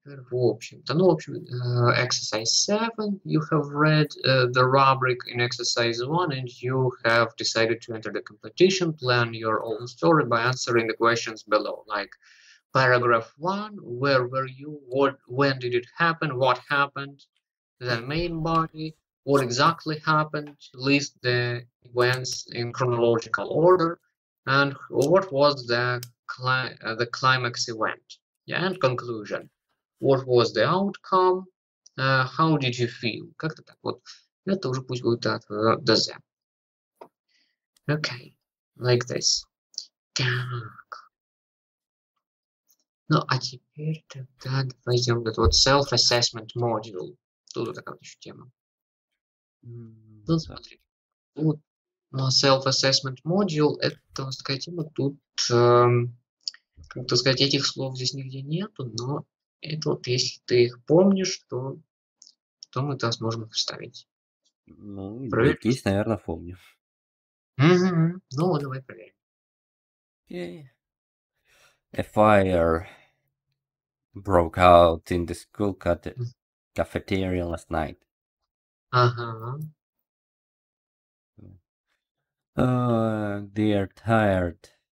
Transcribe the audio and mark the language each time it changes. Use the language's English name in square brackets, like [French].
[Russian] В общем, [English] exercise 7, you have read the rubric in exercise 1 and you have decided to enter the competition, plan your own story by answering the questions below, like paragraph 1, where were you, what, when did it happen, what happened, the main body, what exactly happened, list the events in chronological order, and what was the climax event, yeah, and conclusion. What was the outcome? How did you feel? [Russian] Как-то так. Вот. Это уже пусть будет от ДЗ. [English] Okay. Like this. [Russian] Так. Ну, а теперь тогда возьмем этот вот self-assessment module. Тут вот такая вот еще тема. Ну, смотри. Вот. Но self-assessment module, это, вот такая тема, тут, как-то сказать, этих слов здесь нигде нету, но это вот если ты их помнишь, то мы там сможем их вставить. Ну, здесь, наверное, помню. Ну, давай проверим. [English] Okay. A fire broke out in the school cafeteria last night. [Russian] Ага. [English] They are tired.